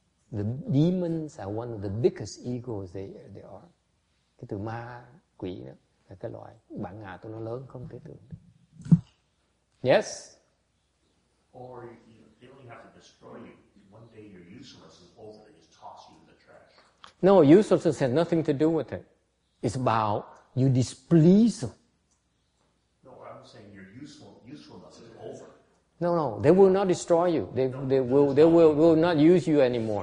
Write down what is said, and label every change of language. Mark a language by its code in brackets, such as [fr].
[en] The demons are one of the biggest egos they are. [vi] Cái từ ma, quỷ đó, là cái loại bản ngã tụi nó lớn không thể tưởng được. [en] Yes? Or they only have to destroy you. One day your usefulness is over, they just toss you in the trash. No, usefulness has nothing to do with it. It's about you displease them. No, I'm saying your usefulness is over. No, they will not destroy you. They will not use you anymore.